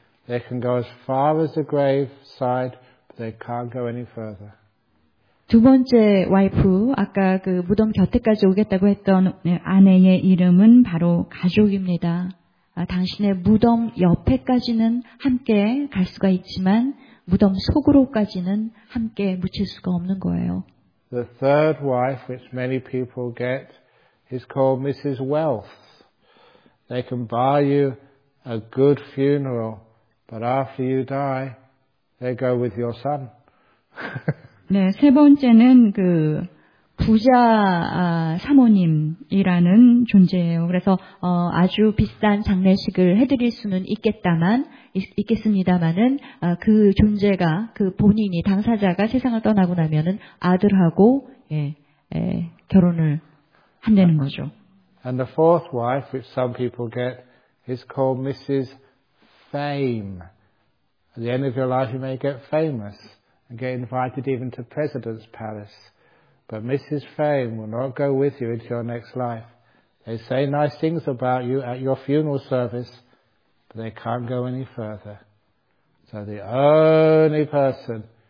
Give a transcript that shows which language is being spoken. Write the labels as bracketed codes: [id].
[en] They can go as far as the graveside, but they can't go any further. [ko] 두 번째 와이프, 아까 그 무덤 곁에까지 오겠다고 했던 아내의 이름은 바로 가족입니다. 아, 당신의 무덤 옆에까지는 함께 갈 수가 있지만 무덤 속으로까지는 함께 묻힐 수가 없는 거예요. [en] The third wife, which many people get, is called Mrs. Wealth. They can buy you a good funeral, but after you die, they go with your son. [ko] 네, 세 번째는 그 부자 사모님이라는 존재예요. 그래서 아주 비싼 장례식을 해드릴 수는 있겠습니다만은 그 존재가 그 본인이 당사자가 세상을 떠나고 나면은 아들하고 결혼을 한다는 거죠. [en] And the fourth wife, which some people get, is called Mrs. Fame. At the end of your life, you may get famous and get invited even to President's Palace. But Mrs. Fame will not go with you into your next life. They say nice things about you at your funeral service, but they can't go any further. So the only person